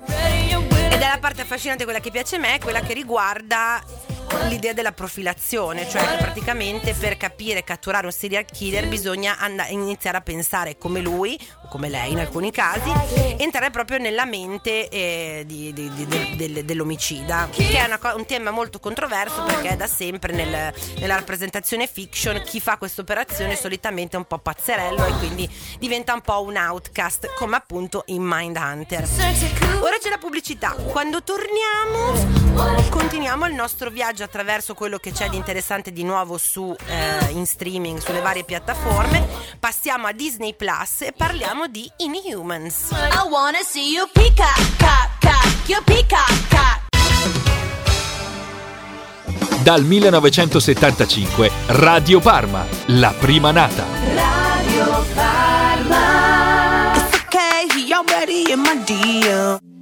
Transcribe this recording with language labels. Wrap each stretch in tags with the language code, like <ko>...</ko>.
<it>Ed è la parte affascinante, quella che piace a me, quella che riguarda l'idea della profilazione, cioè che praticamente per capire e catturare un serial killer bisogna iniziare a pensare come lui, o come lei in alcuni casi, entrare proprio nella mente dell'omicida, che è un tema molto controverso, perché è da sempre nella rappresentazione fiction chi fa questa operazione solitamente è un po' pazzerello e quindi diventa un po' un outcast, come appunto in Mindhunter. Ora c'è la pubblicità, quando torniamo continuiamo il nostro viaggio attraverso quello che c'è di interessante di nuovo su in streaming, sulle varie piattaforme. Passiamo a Disney Plus e parliamo di Inhumans.</it> <en>I wanna see you peacock, you peacock.</en> <it>Dal 1975 Radio Parma, la prima nata. Radio Parma.</it> <en>It's okay, you're ready in my deal.</en>